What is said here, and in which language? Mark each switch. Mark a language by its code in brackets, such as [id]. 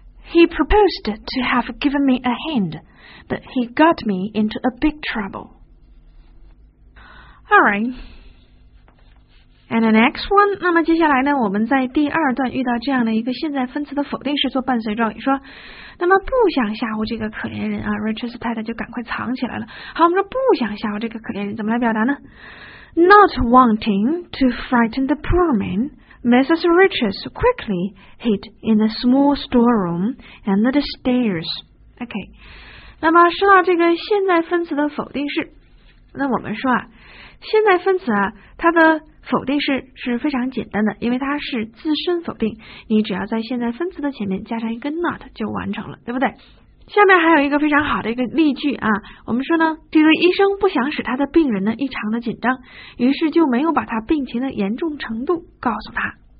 [en] He proposed to have given me a hand, but he got me into a big trouble. All right. And the next one, [zh] 那么接下来呢，我们在第二段遇到这样的一个现在分词的否定式做伴随状语，说那么不想吓唬这个可怜人啊， Richard's 太太就赶快藏起来了。好，我们说不想吓唬这个可怜人，怎么来表达呢？ [en] Not wanting to frighten the poor man, Mrs. Richards quickly hid in the small storeroom and the stairs. [zh] OK, 那么说到这个现在分词的否定式，那我们说啊，现在分词啊，它的否定式是非常简单的，因为它是自身否定，你只要在现在分词的前面加上一个 not 就完成了，对不对？下面还有一个非常好的一个例句啊，我们说呢，这位医生不想使他的病人呢异常的紧张，于是就没有把他病情的严重程度告诉他。